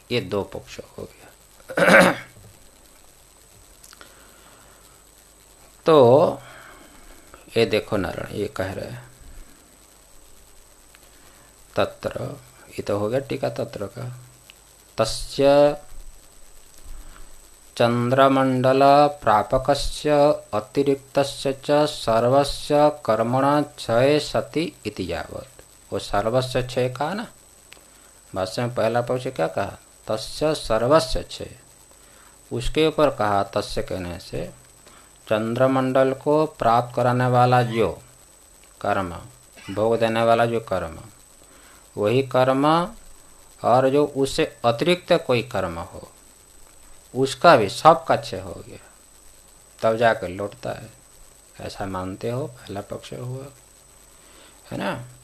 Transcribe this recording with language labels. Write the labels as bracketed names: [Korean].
[Hindi] ये दो पक्ष हो गया। तो ये देखो नारायण ये कह रहे हैं तत्र, ये तो हो गया टीका तत्र का। [Sanskrit] तस्य चंद्रमंडल प्रापकस्य अतिरिक्तस्य च सर्वस्य कर्मणा क्षय सति इति यावत्। [Hindi] वो [Sanskrit] सर्वस्य क्षय [Hindi] कहा ना भाष्य में, पहला पक्ष क्या कहा, [Sanskrit] तस्य सर्वस्य क्षय, [Hindi] उसके ऊपर कहा तस्य कहने से चंद्रमंडल को प्राप्त कराने वाला जो कर्म, भोग देने वाला जो कर्म, वही कर्म और जो उससे अतिरिक्त कोई कर्म हो उसका भी सब कच्चे हो गया तब जाकर लौटता है, ऐसा मानते हो पहला पक्ष हुआ, है ना।